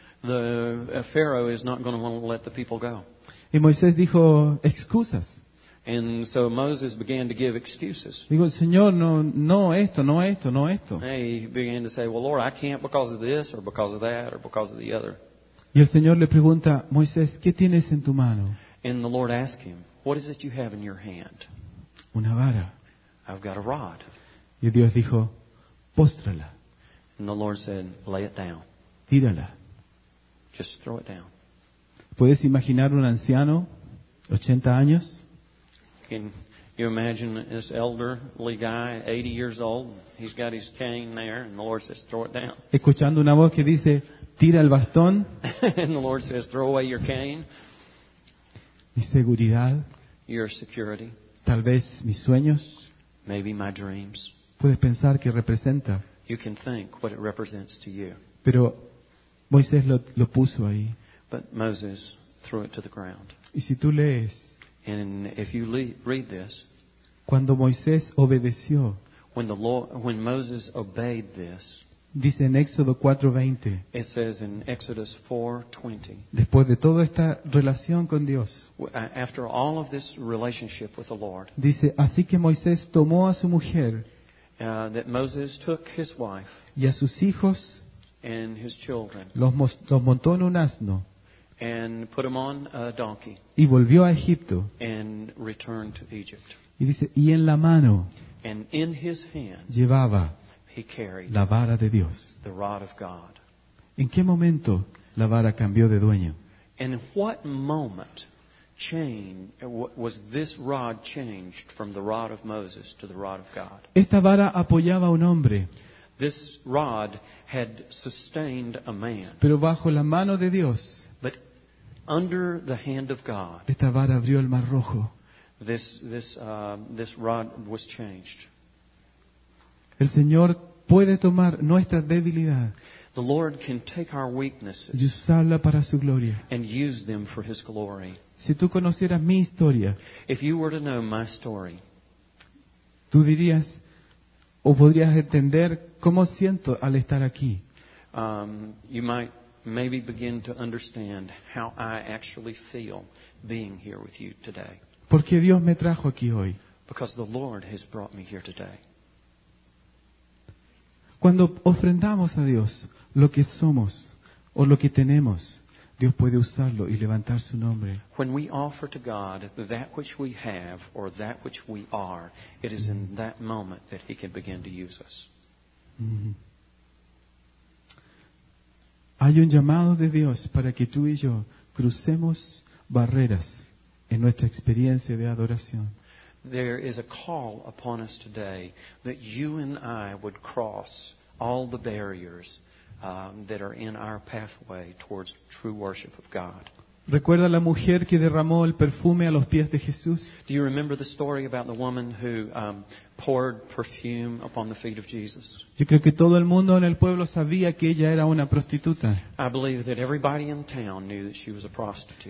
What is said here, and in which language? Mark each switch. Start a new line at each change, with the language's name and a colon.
English: The Pharaoh is not going to want to let the people go.
Spanish: Y Moisés dijo excusas.
English: And so Moses began to give excuses.
Spanish: Digo, Señor, no esto.
English: And he began to say, well, Lord, I can't because of this or because of that or because of the other.
Spanish: Y el Señor le pregunta, Moisés, ¿qué tienes en tu mano?
English: And the Lord asked him, what is it you have in your hand?
Spanish: Una vara.
English: I've got a rod.
Spanish: Y Dios dijo, póstrala.
English: And the Lord said, lay it down.
Spanish: Tírala.
English: Just throw it down.
Spanish: ¿Puedes imaginar un anciano, 80 años?
English: Can you imagine this elderly guy, 80 years old, he's got his cane there, and the Lord says, throw it down.
Spanish: Escuchando una voz que dice, tira el bastón.
English: And the Lord says, throw away your cane.
Spanish: Mi seguridad.
English: Your security.
Spanish: Tal vez mis sueños.
English: Maybe my dreams.
Spanish: Puedes pensar que representa.
English: You can think what it represents to you.
Spanish: Pero Moisés lo puso ahí.
English: But Moses threw it to the ground.
Spanish: Y si tú lees,
English: and if you read this,
Spanish: cuando Moisés obedeció,
English: when Moses obeyed this,
Spanish: dice en Éxodo 4:20,
English: it says in Exodus 4:20,
Spanish: después de toda esta relación con Dios,
English: after all of this relationship with the Lord,
Spanish: dice, así que Moisés tomó a su mujer,
English: that Moses took his wife,
Spanish: y a sus hijos,
English: and his children,
Spanish: los montó en un asno,
English: and put them on a donkey,
Spanish: y volvió a Egipto,
English: and returned to Egypt.
Spanish: Y dice, y en la mano,
English: and in his hand,
Spanish: llevaba,
English: he carried,
Spanish: la vara de Dios,
English: the rod of God.
Spanish: ¿En qué momento la vara cambió de dueño?
English: And in what moment was this rod changed from the rod of Moses to the rod of God?
Spanish: Esta vara apoyaba a un hombre.
English: This rod had sustained a man.
Spanish: Pero bajo la mano de Dios,
English: but under the hand of God,
Spanish: esta vara abrió el Mar Rojo.
English: This rod was changed.
Spanish: El Señor puede tomar nuestra debilidad,
English: the Lord can take our weaknesses,
Spanish: y usarla para su gloria,
English: and use them for his glory.
Spanish: Si tú conocieras mi historia,
English: if you were to know my story,
Spanish: tú dirías o podrías entender cómo siento al estar aquí.
English: You might maybe begin to understand how I actually feel being here with you today.
Spanish: Porque Dios me trajo aquí hoy.
English: Because the Lord has brought me here today.
Spanish: Cuando ofrendamos a Dios lo que somos o lo que tenemos, Dios puede usarlo y levantar su nombre.
English: When we offer to God that which we have or that which we are, it is in that moment that he can begin to use us.
Spanish: Hay un llamado de Dios para que tú y yo crucemos barreras en nuestra experiencia de adoración.
English: There is a call upon us today that you and I would cross all the barriers that are in our pathway towards true worship of God.
Spanish: ¿Recuerda la mujer que derramó el perfume a los pies de Jesús?
English: Do you remember the story about the woman who poured perfume upon the feet of Jesus?
Spanish: Yo creo que todo el mundo en el pueblo sabía que ella era una prostituta.
English: I believe that everybody in town knew that she was a prostitute.